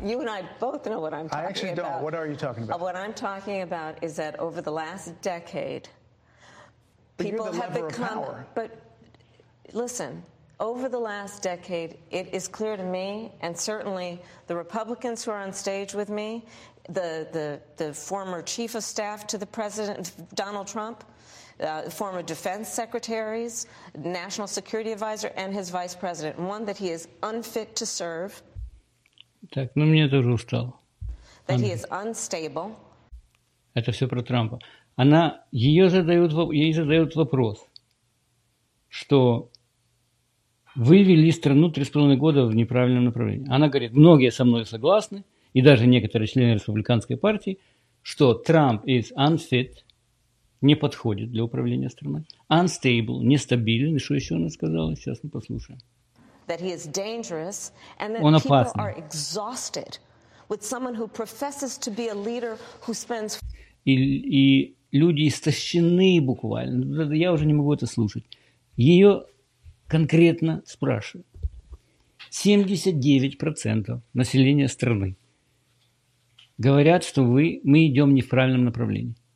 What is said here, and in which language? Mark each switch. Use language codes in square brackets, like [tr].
[en] You and I both know what I'm talking about. I actually don't. What are you talking about? What I'm talking about is that over the last decade, people have become... But listen, over the last decade, it is clear to me, and certainly the Republicans who are on stage with me, the former chief of staff to the president, Donald Trump, former defense secretaries, national security advisor, and his vice president, one that he is unfit to serve. [ru] Так, ну мне тоже устало. [en] That he is unstable. [ru] Это все про Трампа. Она, ее задают, ей задают вопрос, что вы вели страну 3.5 года в неправильном направлении. Она говорит, многие со мной согласны, и даже некоторые члены республиканской партии, что Трамп [en] is unfit, [ru] не подходит для управления страной. Unstable, нестабилен. Что еще она сказала? Сейчас мы послушаем. [en] That he is dangerous and that people are exhausted with someone who professes to be a leader who spends... [ru] И люди истощены буквально. Я уже не могу это слушать. Ее конкретно спрашивают. 79% населения страны говорят, что мы идем не в правильном направлении.